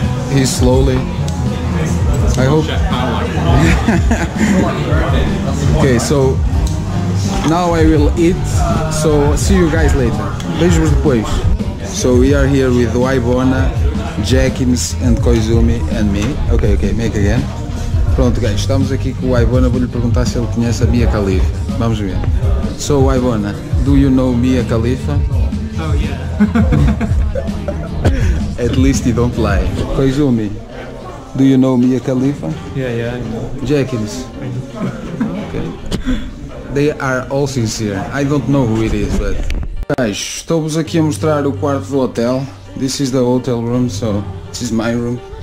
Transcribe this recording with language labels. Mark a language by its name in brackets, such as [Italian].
[English] He's slowly. I hope. Okay, so now I will eat, so see you guys later. [Portuguese] Beijos depois. [English] So we are here with Waibona, Jackins and Koizumi and me. Okay, make again. [Portuguese] Pronto, guys, estamos aqui com o Waibona, vou lhe perguntar se ele conhece a Mia Khalifa. Vamos ver. [English] So Waibona, do you know Mia Khalifa? Oh yeah. At least you don't lie. Koizumi, do you know Mia Khalifa? Yeah, I know. Jackins. Okay. They are all sincere. I don't know who it is, but... [Portuguese] Guys, estou-vos aqui a mostrar o quarto do hotel. [English] This is the hotel room, so this is my room.